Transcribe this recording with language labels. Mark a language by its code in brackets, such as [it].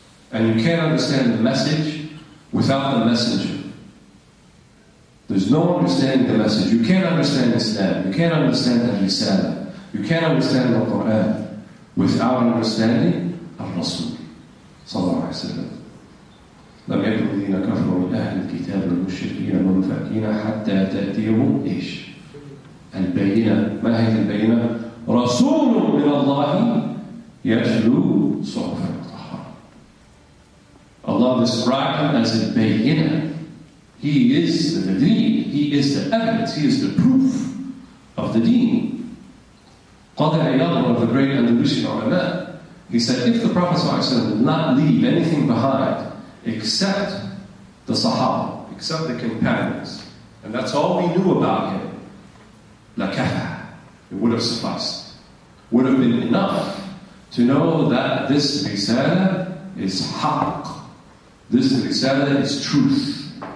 [en] And you can't understand the message without the messenger. There's no understanding the message. You can't understand Islam. You can't understand the risala. You can't understand the Quran without understanding the Rasul, sallallahu alayhi wa sallam. [ar] لم يكن الذين كفروا من أهل الكتاب المشركين منفكين حتى تأتيهم إيش البينة. ما هي البينة؟ رسول من الله يتلو صحف المطهرة. [en] Allah described him as a بينة. He is the deen. He is the evidence. He is the proof of the deen. قال عياض one of the great and the wishing of Allah. He said, if the Prophet صلى الله عليه وسلم did not leave anything behind, except the Sahaba, except the companions, and that's all we knew about him, لَكَفَى, it would have sufficed, would have been enough to know that this risala is haqq, this risala is truth,